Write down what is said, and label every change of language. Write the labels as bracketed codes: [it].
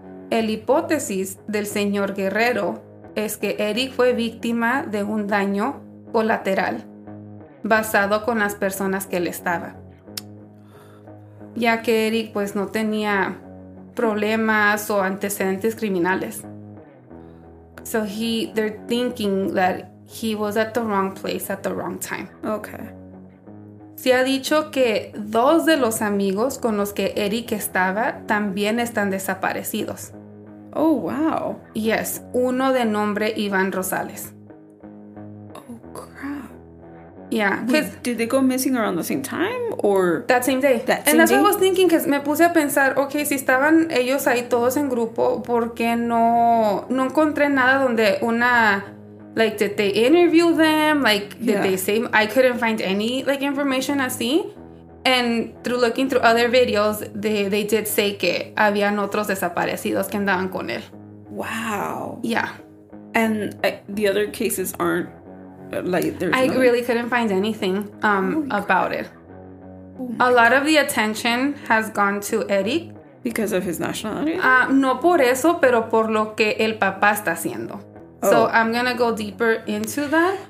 [es] El hipótesis del señor Guerrero es que Erick fue víctima de un daño colateral basado con las personas que él estaba. Ya que Erick, pues, no tenía problemas o antecedentes criminales. [en] So they're thinking that he was at the wrong place at the wrong time. Okay. [es] Se ha dicho que dos de los amigos con los que Erick estaba también están desaparecidos. [en] Oh, wow. [es] Yes, uno de nombre Iván Rosales. [en] Oh, crap. Yeah. Did they go missing around the same time or? That same day. That same and that's day? What I was thinking, because [es] me puse a pensar, okay, si estaban ellos ahí todos en grupo, ¿por qué no encontré nada donde una, [en] like, did they interview them? Like, did they say, I couldn't find any, like, information así. And through looking through other videos, they did say [es] que habían otros desaparecidos que andaban con él. [en] Wow. Yeah. And the other cases aren't, like, there's I really couldn't find anything about it. A lot of the attention has gone to Erick. Because of his nationality? [es] No por eso, pero por lo que el papá está haciendo. [en] Oh. So I'm going to go deeper into that.